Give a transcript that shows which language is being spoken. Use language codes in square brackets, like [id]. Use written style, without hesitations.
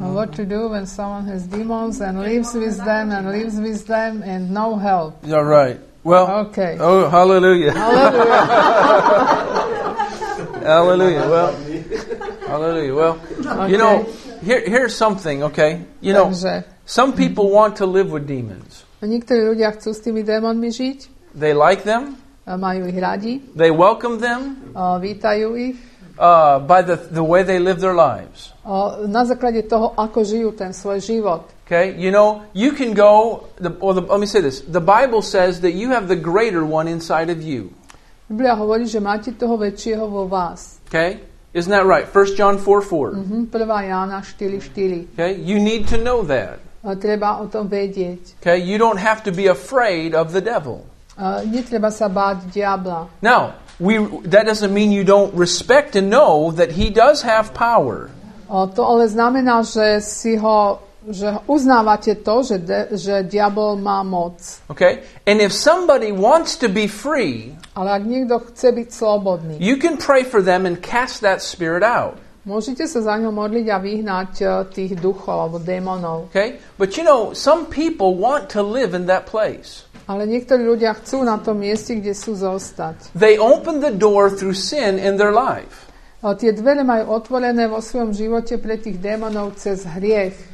[en] Well, what to do when someone has demons and lives with them and no help? You're right. Well, okay. Oh, hallelujah. Hallelujah. Hallelujah. Well, hallelujah. Well, okay. You know, here's something, okay? You know, some people want to live with demons. [sk] Niektorí ľudia chcú s tými démonmi žiť. [en] They like them. [sk] Majú ich radi. [en] They welcome them. [sk] Vítajú ich. [en] By the way they live their lives. [sk] Na základe toho, ako žijú ten svoj život. [en] Okay, you know, you can go, let me say this. The Bible says that you have the greater one inside of you. [sk] Biblia hovorí, že máte toho väčšieho vo vás. [en] Okay, isn't that right? 1 John 4:4. [sk] Prvá Jána 4:4. [en] Okay, you need to know that. [sk] Treba o tom vedieť. [en] Okay, you don't have to be afraid of the devil. [sk] Netreba sa báť diabla. [en] Now, that doesn't mean you don't respect and know that he does have power. [sk] To ale znamená, že uznávate to, že diabol má moc. [en] Okay? And if somebody wants to be free, [sk] ale ak niekto chce byť slobodný, [en] you can pray for them and cast that spirit out. [sk] Môžete sa za ňo modliť a vyhnať tých duchov alebo démonov. [en] Okay? But you know, some people want to live in that place. [sk] Ale niektorí ľudia chcú na tom mieste, kde sú zostať. [en] They open the door through sin in their life. [sk] A tie dvere majú otvorené vo svojom živote pre tých démonov cez hriech.